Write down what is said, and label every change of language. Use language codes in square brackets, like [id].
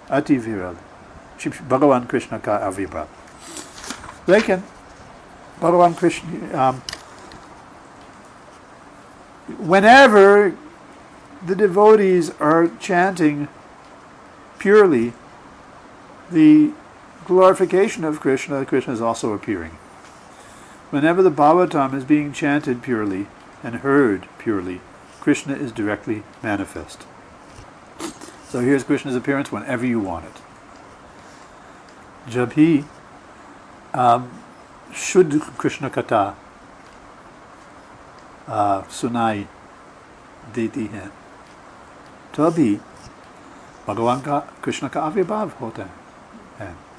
[hi] अति विरल. भगवान कृष्ण का अविभा. लेकिन, भगवान Krishna... [en] whenever the devotees are chanting purely the glorification of Krishna, Krishna is also appearing. Whenever the Bhagavatam is being chanted purely and heard purely, Krishna is directly manifest. So here's Krishna's appearance whenever you want it. [hi] जभी शुद्ध कृष्ण कता सुनाई देती है. तभी भगवान का कृष्ण का अविभाव होता है.